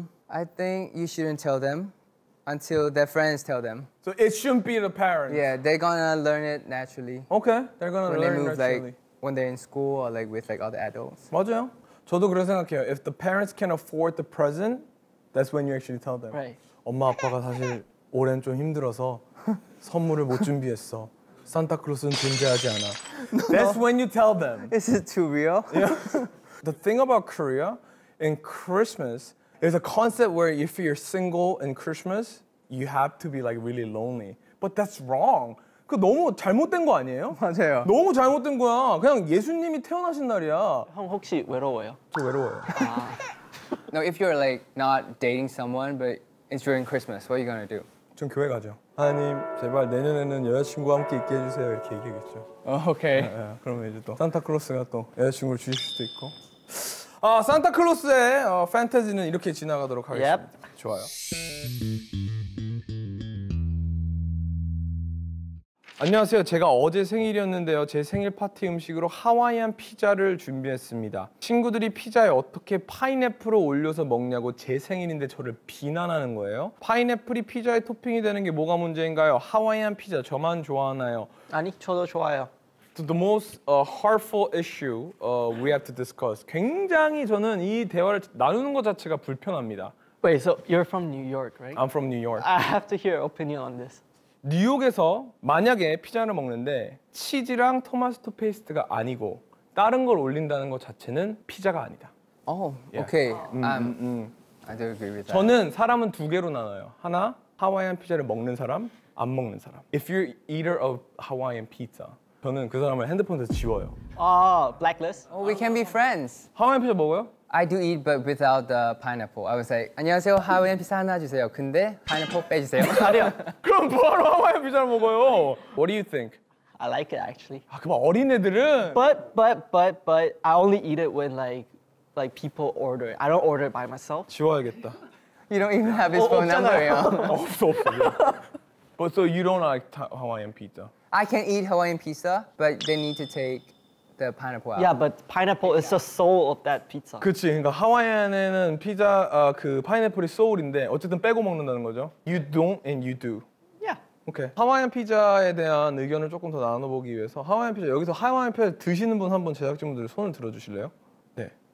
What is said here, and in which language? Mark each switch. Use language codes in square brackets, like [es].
[en] I think you shouldn't tell them until their friends tell them. So it shouldn't be the parents? Yeah, they're gonna learn it naturally. Okay, they're gonna learn it naturally. Like, when they're in school or like with like other adults. [ko] 맞아요. 저도 그런 생각해요. [en] If the parents can afford the present, that's when you actually tell them. Right. [ko] 엄마, 아빠가 사실 올해는 좀 힘들어서 선물을 못 준비했어. 산타클로스는 존재하지 않아. [en] That's when you tell them. Is it too real? Yeah. The thing about Korea, in Christmas, there's a concept where if you're single in Christmas, you have to be like really lonely. But that's wrong. [ko] 그 너무 잘못된 거 아니에요? 맞아요. 너무 잘못된 거야. 그냥 예수님이 태어나신 날이야. 형 혹시 외로워요? 저 외로워요. [en] No, if you're like not dating someone, but it's during Christmas, what are you gonna do? [ko] 전 교회 가죠. 하나님, 제발 내년에는 여자친구와 함께 있게 해주세요. 이렇게 얘기하겠죠. 오케이. 그러면 이제 또 산타클로스가 또 여자친구를 주실 수도 있고. 아, 산타클로스의 판타지는 이렇게 지나가도록 하겠습니다. [en] Yep. [ko] 좋아요. 안녕하세요. 제가 어제 생일이었는데요. 제 생일 파티 음식으로 하와이안 피자를 준비했습니다. 친구들이 피자에 어떻게 파인애플을 올려서 먹냐고 제 생일인데 저를 비난하는 거예요. 파인애플이 피자의 토핑이 되는 게 뭐가 문제인가요? 하와이안 피자 저만 좋아하나요? 아니, 저도 좋아요. [en] The most hurtful issue we have to discuss. [ko] 굉장히 저는 이 대화를 나누는 것 자체가 불편합니다. [en] Wait, so you're from New York, right? I'm from New York. I have to hear opinion on this. [ko] 뉴욕에서 만약에 피자를 먹는데 치즈랑 토마토 페이스트가 아니고 다른 걸 올린다는 것 자체는 피자가 아니다. 오, [en] oh, 오케이. Yeah. Okay. I do agree with that. [ko] 저는 사람은 두 개로 나눠요. 하나, 하와이안 피자를 먹는 사람, 안 먹는 사람. [en] If you're eater of Hawaiian pizza, [ko] 저는 그 사람을 핸드폰에서 지워요. [en] Oh, blacklist. Oh, we can be friends. [ko] 하와이안 피자 먹어요? [en] I do eat, but without the pineapple. I was like, [ko] 안녕하세요, 하와이안 피자 하나 주세요. 근데 파인애플 빼주세요. 아니요. 그럼 바로 하와이안 피자를 먹어요. [en] What do you think? I like it, actually. [ko] 아, 그만, 어린애들은. [en] But, I only eat it when, like people order it. I don't order it by myself. [ko] 지워야겠다. [en] You don't even have his phone number, yo. [ko] 없어, 없어. [en] But so you don't like Hawaiian pizza? I can eat Hawaiian pizza, but they need to take the pineapple out. Yeah, but pineapple is the soul of that pizza. [ko] 그치, 그러니까 하와이안에는 피자, 그 파인애플이 소울인데 어쨌든 빼고 먹는다는 거죠? [en] You don't and you do. Yeah. [ko] 오케이. 하와이안 피자에 대한 의견을 조금 더 나눠보기 위해서 하와이안 피자, 여기서 하와이안 피자 드시는 분 한번 제작진분들 손을 들어주실래요? 네.